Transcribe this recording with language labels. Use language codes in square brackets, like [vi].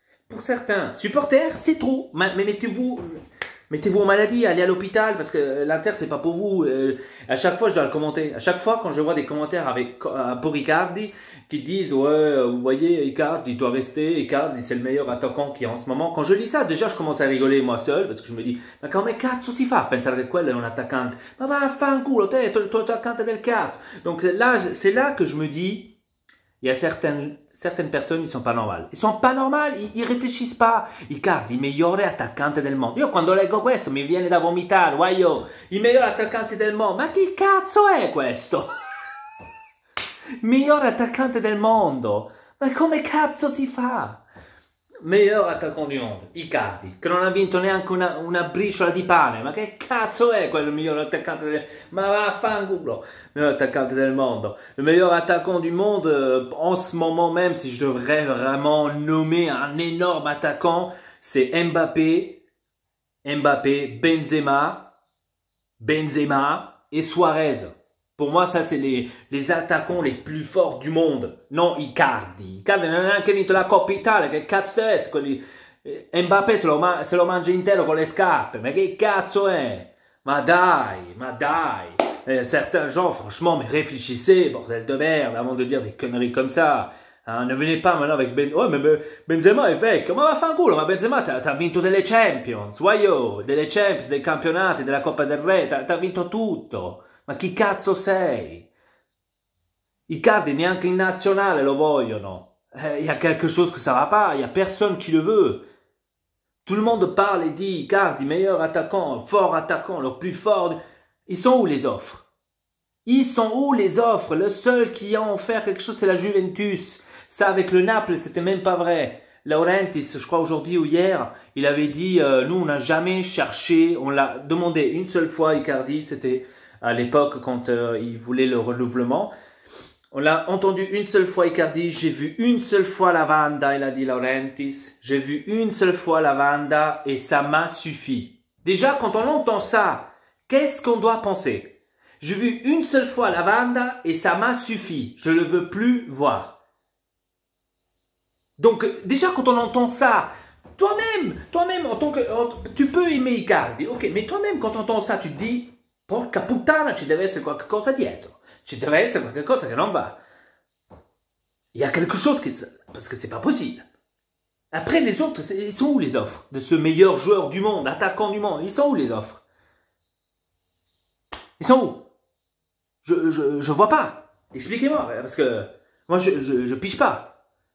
[fr] Pour certains supporters, c'est trop. Mais mettez-vous en maladie, allez à l'hôpital parce que l'Inter c'est pas pour vous. À chaque fois je dois le commenter. À chaque fois quand je vois des commentaires avec pour Icardi qui disent ouais, vous voyez Icardi, il doit rester. Icardi c'est le meilleur attaquant qu'il y a en ce moment. Quand je lis ça, déjà je commence à rigoler moi seul parce que je me dis ma quand même quatre soucis [it] fa pensare quel è un attaccante. Ma va a fanculo, te tu attaccante del cazzo. [fr] Donc là c'est là que je me dis. Il y a certaines personnes, ils ne sont pas normales. Ils sont pas normales, ils réfléchissent pas. Icardi, meilleur [it] attaccante del monde. Io quando leggo questo, mi viene da vomitare. Guaio, il [fr] meilleur [it] attaccante del monde. Ma che cazzo è questo? [fr] Meilleur [it] attaccante del mondo. Ma come cazzo si fa? [fr] Meilleur attaccante du monde. [it] Icardi, che non ha vinto neanche una briciola di pane. Ma che cazzo è quello, il miglior attaccante del... Ma vaffanculo. [fr] Meilleur [it] attaccante del mondo. [fr] Il meilleur attaccant du monde, en ce moment même, si je devrais vraiment nommer un énorme attaccant, c'est Mbappé. Mbappé, Benzema. Benzema et Suarez. Pour moi, ça, c'est les attaquants les plus forts du monde. Non, Icardi. [it] Icardi non a neanche vinto la Coppa Italia. Che cazzo è? Mbappé se lo mangia intero con le scarpe. Ma che cazzo è? Ma dai, ma dai. [fr] Certains gens, franchement, mais réfléchissez, bordel de merde, avant de dire des conneries comme ça. Hein, ne venez pas maintenant avec Benzema est [it] vecchio. Ma vaffanculo, ma Benzema t'ha vinto delle Champions. Guaio, delle Champions, dei campionati, della Coppa del Re. T'ha vinto tutto. Ma chi cazzo sei? Icardi neanche in nazionale lo vogliono. [fr] Il y a quelque chose que ça va pas. Il y a personne qui le veut. Tout le monde parle et dit Icardi, meilleur attaquant, fort attaquant, le plus fort. Ils sont où les offres? Ils sont où les offres? Le seul qui a offert quelque chose, c'est la Juventus. Ça, avec le Naples, c'était même pas vrai. Laurentiis, je crois aujourd'hui ou hier, il avait dit nous, on n'a jamais cherché, on l'a demandé une seule fois, Icardi, c'était. À l'époque, quand il voulait le renouvellement, on l'a entendu une seule fois, Icardi. J'ai vu une seule fois Lavanda, il a dit Laurentiis. J'ai vu une seule fois Lavanda et ça m'a suffi. Déjà, quand on entend ça, qu'est-ce qu'on doit penser? J'ai vu une seule fois Lavanda et ça m'a suffi. Je ne veux plus voir. Donc, déjà, quand on entend ça, toi-même, en tant que. Tu peux aimer Icardi, ok, mais toi-même, quand on entend ça, tu te dis. [it] Porca puttana, ci deve essere qualcosa dietro. Ci deve essere qualcosa che non va. [fr] Il y a quelque chose qui. Parce que c'est pas possible. Après, les autres, ils sont où les offres de ce meilleur joueur du monde, attaquant du monde? Ils sont où les offres? Ils sont où? Je vois pas. Expliquez-moi, parce que moi, je piche pas.